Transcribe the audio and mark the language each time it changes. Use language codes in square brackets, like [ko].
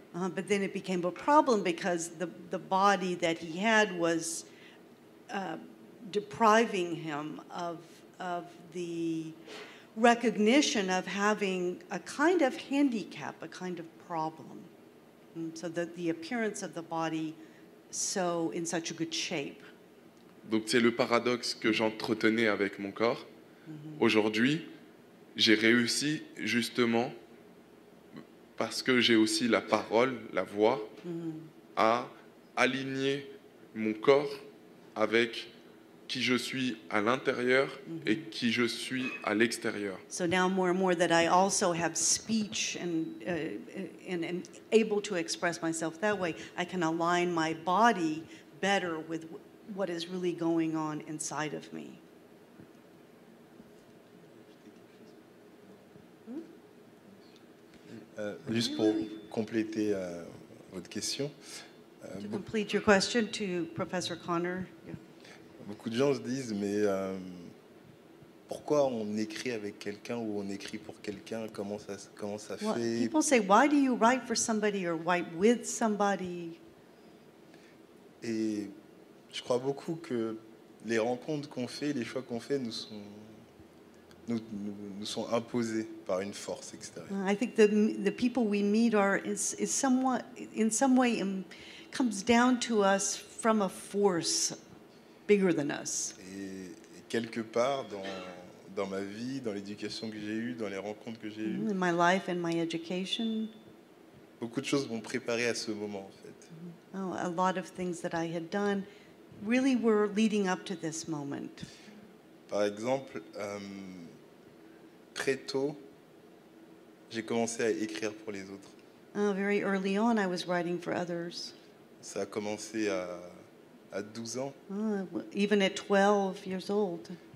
[en] But then it became a problem because the body that he had was depriving him of the recognition of having a kind of handicap, a kind of problem. So the appearance of the body so in such a good shape. [fr] Donc c'est le paradoxe que j'entretenais avec mon corps. Aujourd'hui, j'ai réussi justement parce que j'ai aussi la parole, la voix, à aligner mon corps avec qui je suis à l'intérieur et qui je suis à l'extérieur. [en] So now more and more that I also have speech and am able to express myself that way, I can align my body better with what is really going on inside of me. [fr] Juste pour compléter votre question. [en] Complete your question to Professor Connor. Yeah. [fr] Beaucoup de gens se disent, mais pourquoi on écrit avec quelqu'un ou on écrit pour quelqu'un? Comment ça [en] well, [fr] fait? [en] People say, why do you write for somebody or write with somebody? [fr] Et je crois beaucoup que les rencontres qu'on fait, les choix qu'on fait, nous sont imposés par une force extérieure. [en] I think the people we meet are is somewhat in some way comes down to us from a force bigger than us. [fr] Et quelque part dans ma vie, dans l'éducation que j'ai eue, dans les rencontres que j'ai eues. [en] In my life and my education. [fr] Beaucoup de choses m'ont préparé à ce moment en fait. [en] Oh, a lot of things that I had done really were leading up to this moment. [fr] Par exemple, très tôt, j'ai commencé à écrire pour les autres. [en] Very early on, I was writing for others. [fr] Ça a commencé à 12 ans. [en] Even at 12 years old.